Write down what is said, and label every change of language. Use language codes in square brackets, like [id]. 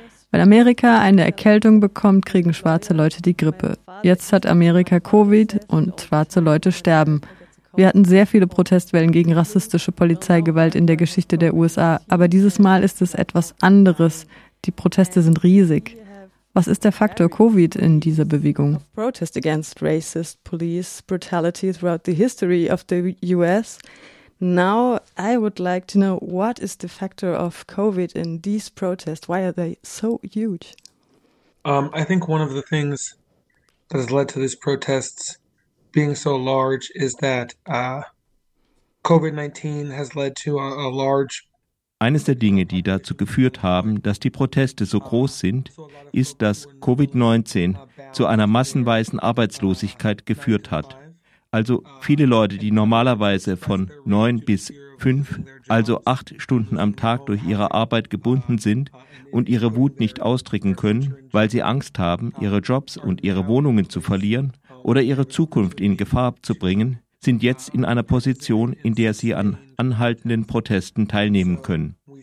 [de] Wenn Amerika eine Erkältung bekommt, kriegen schwarze Leute die Grippe. Jetzt hat Amerika Covid und schwarze Leute sterben. Wir hatten sehr viele Protestwellen gegen rassistische Polizeigewalt in der Geschichte der USA, aber dieses Mal ist es etwas anderes. Die Proteste sind riesig. Was ist der Faktor Covid in dieser Bewegung? [en] Protest against racist police brutality throughout the history of the US. Now I would like to know, what is the factor of Covid in these protests? Why are they so huge? I think one of the things that has led to these protests being so large is that COVID-19 has led to a large. [de] Eines der Dinge, die dazu geführt haben, dass die Proteste so groß sind, ist, dass COVID-19 zu einer massenweisen Arbeitslosigkeit geführt hat. Also viele Leute, die normalerweise von 9 bis 5, also 8 Stunden am Tag durch ihre Arbeit gebunden sind und ihre Wut nicht ausdrücken können, weil sie Angst haben, ihre Jobs und ihre Wohnungen zu verlieren oder ihre Zukunft in Gefahr zu bringen, sind jetzt in einer Position, in der sie an anhaltenden Protesten teilnehmen können.